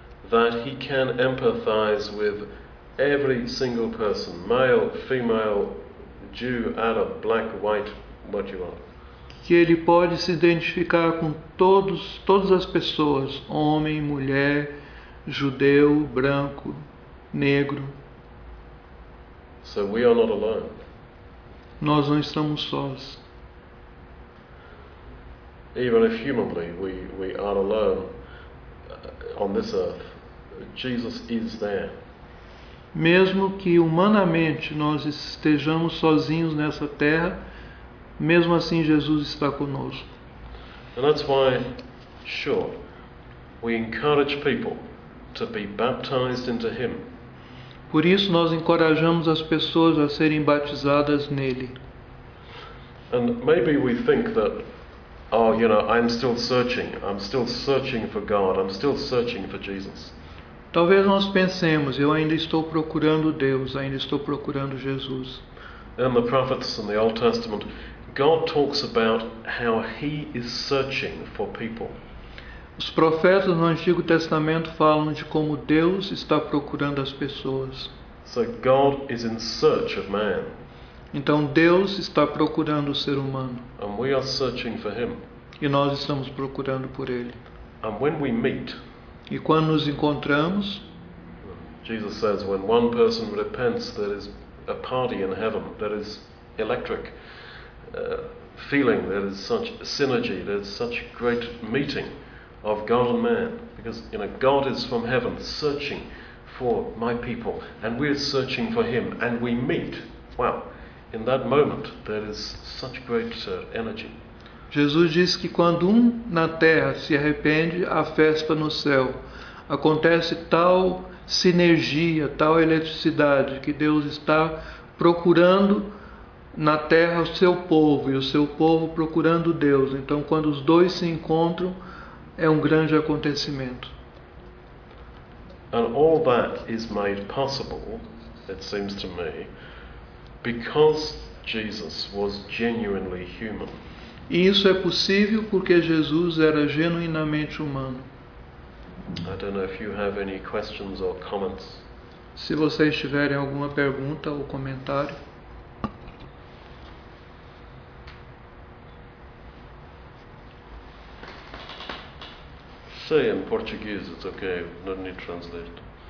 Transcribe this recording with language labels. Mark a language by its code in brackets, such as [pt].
[en] that he can empathize with every single person, male, female, Jew, Arab, black, white, what you are. [pt] Que ele pode se identificar com todas as pessoas, homem, mulher, judeu, branco, negro. [en] So we are not alone. [pt] Nós não estamos sós. [en] Even if humanly we are alone on this earth, Jesus is there. [pt] Mesmo que humanamente nós estejamos sozinhos nessa terra, mesmo assim Jesus está conosco. [en] And that's why, sure, we encourage people to be baptized into him. [pt] Por isso nós encorajamos as pessoas a serem batizadas nele. [en] And maybe we think that, oh, you know, I'm still searching. I'm still searching for God. I'm still searching for Jesus. [pt] Talvez nós pensemos, eu ainda estou procurando Deus, ainda estou procurando Jesus. [en] In the prophets in the Old Testament, God talks about how he is searching for people. [pt] Os profetas no Antigo Testamento falam de como Deus está procurando as pessoas. [en] So God is in search of man. [pt] Então Deus está procurando o ser humano. [en] And we are searching for him. [pt] E nós estamos procurando por ele. [en] And when we meet, [pt] e quando nos encontramos, [en] Jesus says, when one person repents, there is a party in heaven that is electric, feeling there is such synergy, there's such great meeting of God and man. Because, you know, God is from heaven searching for my people, and we're searching for him, and we meet. Wow. In that moment, there is such great energy. [pt] Jesus diz que quando na terra se arrepende, há festa no céu. Acontece tal sinergia, tal eletricidade, que Deus está procurando na terra o seu povo, e o seu povo procurando Deus. Então, quando os dois se encontram, é um grande acontecimento. [en] And all that is made possible, it seems to me, because Jesus was genuinely human. [pt] E isso é possível porque Jesus era genuinamente humano. [en] I don't know if you have any questions or comments. [pt] Se vocês tiverem alguma pergunta ou comentário. [en] Say in Portuguese, it's okay, no need to translate.